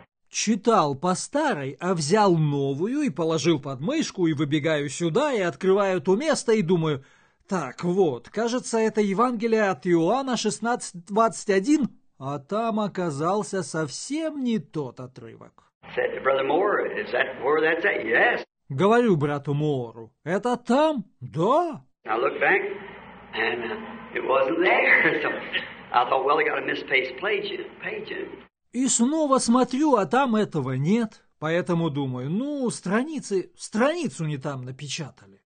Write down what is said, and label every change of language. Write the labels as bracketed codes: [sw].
[ru] Читал по старой, а взял новую и положил под мышку, и выбегаю сюда, и открываю то место, и думаю: так вот, кажется, это Евангелие от Иоанна 16:21, а там оказался совсем не тот отрывок. [en] Said to brother Moore, is that where that's at? Yes. [ru] Говорю брату Мору: «Это там?» «Да». [en] I looked back, and it wasn't there. So I thought, well, I got a misplaced page. [ru] И снова смотрю, а там этого нет. Поэтому думаю: ну, страницу не там напечатали.